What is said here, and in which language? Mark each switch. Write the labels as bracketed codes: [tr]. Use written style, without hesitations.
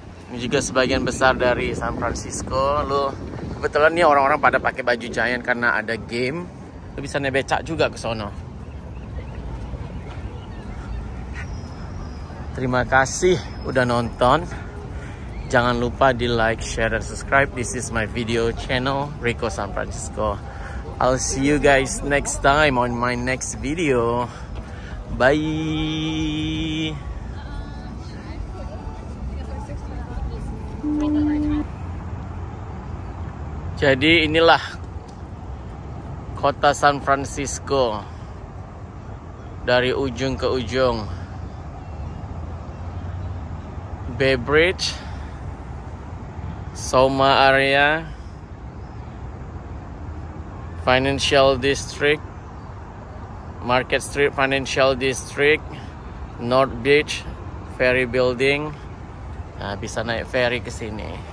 [id] Ini juga sebagian besar dari San Francisco. Lu kebetulan nih orang-orang pada pakai baju Giant karena ada game. Lu bisa naik becak juga ke sono. Terima kasih udah nonton. Jangan lupa di like, share, dan subscribe. [en] This is my video channel, Rico San Francisco. I'll see you guys next time on my next video. Bye. [id] Jadi inilah kota San Francisco dari ujung ke ujung. Bay Bridge, Soma area, Financial District, Market Street Financial District, North Beach, Ferry Building. Nah, bisa naik ferry ke sini.